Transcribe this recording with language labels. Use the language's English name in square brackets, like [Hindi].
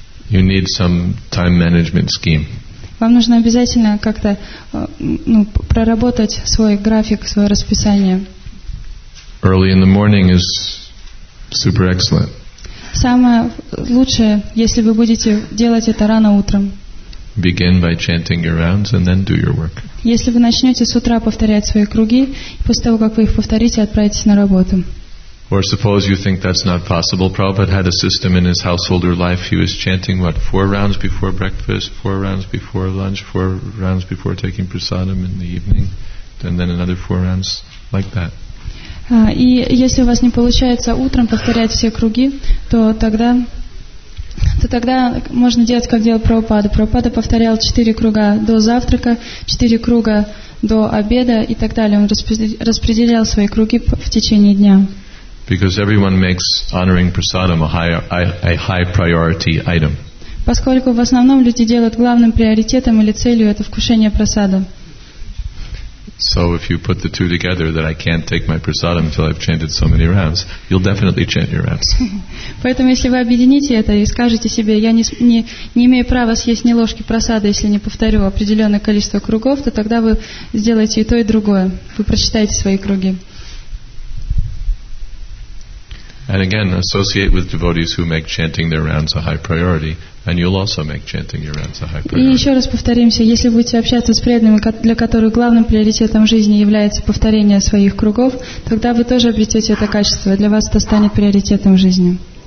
[English] You need some time management scheme. [Russian] Вам нужно обязательно как-то проработать свой график, свое расписание. [English] Early in the morning is super excellent. [Russian] Самое лучшее, если вы будете делать это рано утром. [English] Begin by chanting your rounds and then do your work. [Russian] Если вы начнете с утра повторять свои круги, после того, как вы их повторите, отправитесь на работу. [English] Or suppose you think that's not possible. Prabhupada had a system in his householder life. He was chanting, what, 4 rounds before breakfast, 4 rounds before lunch, 4 rounds before taking prasadam in the evening, and then another 4 rounds like that. [Russian] И если у вас не получается утром повторять все круги, то тогда можно делать, как делал Прабхупада. Прабхупада повторял 4 круга до завтрака, 4 круга до обеда и так далее. Он распределял свои круги в течение дня. [English] Because everyone makes honoring prasadam a high priority item. [Russian] Поскольку в основном люди делают главным приоритетом или целью это вкушение прасада. [English] So if you put the two together, that I can't take my prasadam until I've chanted so many rounds, you'll definitely chant your rounds. [Russian] Поэтому если вы объедините это и скажете себе, я не имею права съесть ни ложки прасада, если не повторю определенное количество кругов, то тогда вы сделаете и то, и другое. Вы прочитаете свои круги. [English] And again, associate with devotees who make chanting their rounds a high priority, and you'll also make chanting your rounds a high priority. [Russian] И еще раз повторимся, если будете общаться с преданными, для которых главным приоритетом жизни является повторение своих кругов, тогда вы тоже обретете это качество, для вас это станет приоритетом жизни.